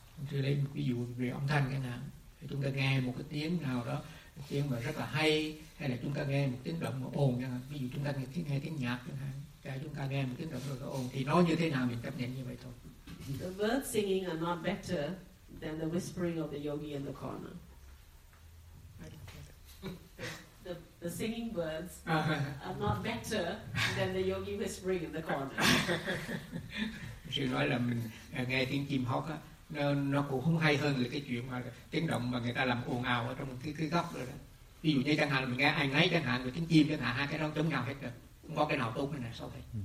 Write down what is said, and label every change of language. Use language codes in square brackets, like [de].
[vi] Thì lấy một ví dụ về âm thanh cái nào, thì chúng ta nghe một cái tiếng nào đó, tiếng mà rất là hay là chúng ta nghe một tiếng động mà ồn chẳng hạn, ví dụ chúng ta nghe tiếng nhạc chẳng hạn, chúng ta nghe một tiếng động rồi ồn thì nó như thế nào mình chấp nhận như vậy thôi. [en] The birds singing are not better than the whispering of the yogi in the corner. The singing birds are not better than the yogi whispering in the corner. [vi] Sư nói là mình nghe tiếng chim hót á, nó cũng không hay hơn là cái chuyện mà tiếng động mà người ta làm ồn ào ở trong cái góc rồi đó. Ví dụ như chẳng hạn mình nghe ai ngáy chẳng hạn, rồi tiếng chim chẳng hạn, hai cái đó chống nhau hết rồi, không có cái nào tốt hơn này sau này.